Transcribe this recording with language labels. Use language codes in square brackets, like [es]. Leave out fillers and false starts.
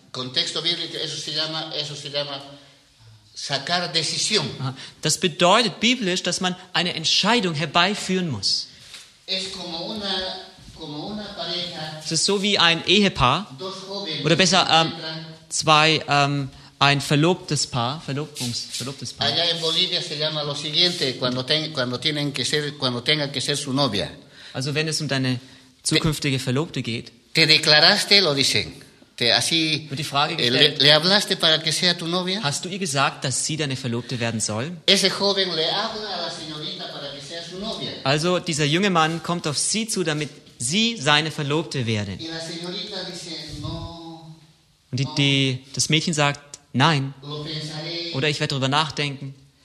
[es] Contexto bíblico, eso se llama sacar decisión. [de] Das bedeutet biblisch, dass man eine Entscheidung herbeiführen muss. [es] Es como una, pareja, [de] es ist so wie ein Ehepaar, oder besser zwei ein verlobtes Paar, verlobtes Paar. [es] Allá en Bolivia se llama lo siguiente, cuando tenga que ser su novia. [de] Also wenn es um deine zukünftige Verlobte geht. [es] Te declaraste, lo dicen. Te así. [de] Wird die Frage gestellt. [es] Le hablaste para que sea tu novia? [de] Hast du ihr gesagt, dass sie deine Verlobte werden soll? [es] Ese joven le habla a la señorita para que sea su novia. [de] Also dieser junge Mann kommt auf sie zu, damit sie seine Verlobte werden. [es] Y la señorita dice, no. [de] Und das Mädchen sagt, Nein. Oder ich werde darüber nachdenken.